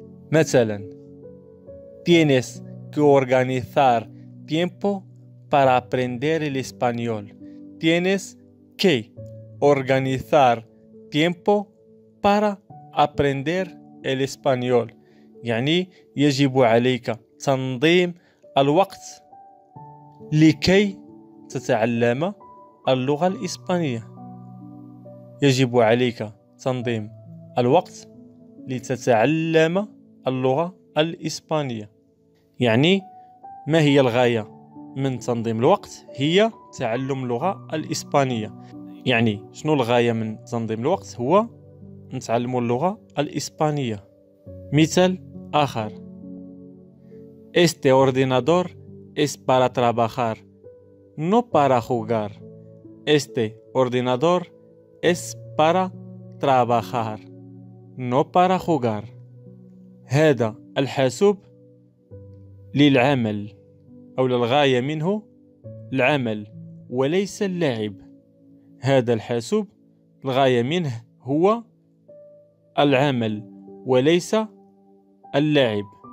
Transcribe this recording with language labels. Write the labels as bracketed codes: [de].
[ar] مثلا [es] tienes que organizar tiempo para aprender el español. Tienes que organizar tiempo para aprender el español. [ar] يعني يجب عليك تنظيم الوقت لكي تتعلم اللغة الإسبانية. يجب عليك تنظيم الوقت لتتعلم اللغة الإسبانية. يعني ما هي الغاية من تنظيم الوقت؟ هي تعلم اللغة الإسبانية. يعني شنو الغاية من تنظيم الوقت؟ هو نتعلم اللغة الإسبانية. مثال آخر، [es] este ordenador es para trabajar no para jugar. Este ordenador es para trabajar, no para jugar. [ar] هذا الحاسوب للعمل، أو للغاية منه العمل وليس اللعب. هذا الحاسوب الغاية منه هو العمل وليس اللعب.